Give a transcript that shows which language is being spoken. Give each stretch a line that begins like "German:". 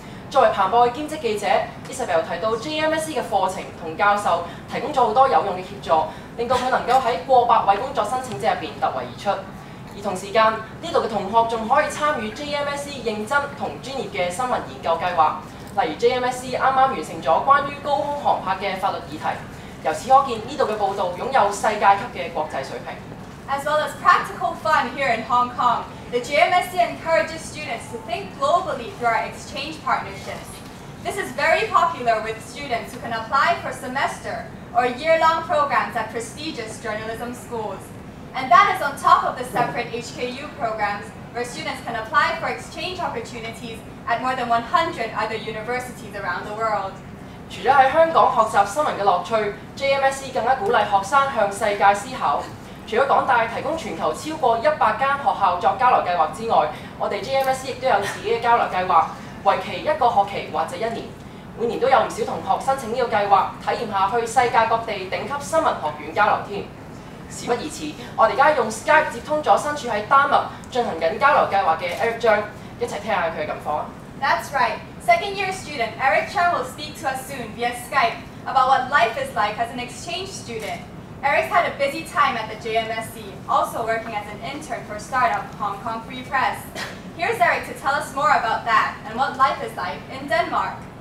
Cantonese: 作為彭博的兼職記者 ，Isabel 提到 JMSC 嘅課程同教授提供咗好多有用嘅協助，令到佢能夠喺過百位工作申請者入邊突圍而出。而同時間，呢度嘅同學仲可以參與 JMSC 認真同專業嘅新聞研究計劃，例如 JMSC 啱啱完成咗關於高空航拍嘅法律議題。由此可見，呢度嘅報導擁有世界級嘅國際水平。
English: As well as practical fun here in Hong Kong, the JMSC encourages students to think globally through our exchange partnerships. This is very popular with students who can apply for semester or year-long programs at prestigious journalism schools. And that is on top of the separate HKU programs where students can apply for exchange opportunities at more than 100 other universities around the world.
Cantonese: 除了在香港學習新聞的樂趣, JMSC 更加鼓勵學生向世界思考。除了港大提供全球超過100間學校作交流計劃之外，我哋 JMSC 亦都有自己嘅交流計劃，為期一個學期或者一年。每年都有唔少同學申請呢個計劃，體驗下去世界各地頂級新聞學院交流添。事不宜遲，我哋而家用 Skype 接通咗身處喺丹麥進行緊交流計劃嘅 Eric Chang，一齊聽下佢嘅近況。
English: That's right, second year student Eric Chang will speak to us soon via Skype about what life is like as an exchange student. Eric had a busy time at the JMSC, also working as an intern for startup Hong Kong Free Press. Here's Eric to tell us more about that and what life is like in Denmark.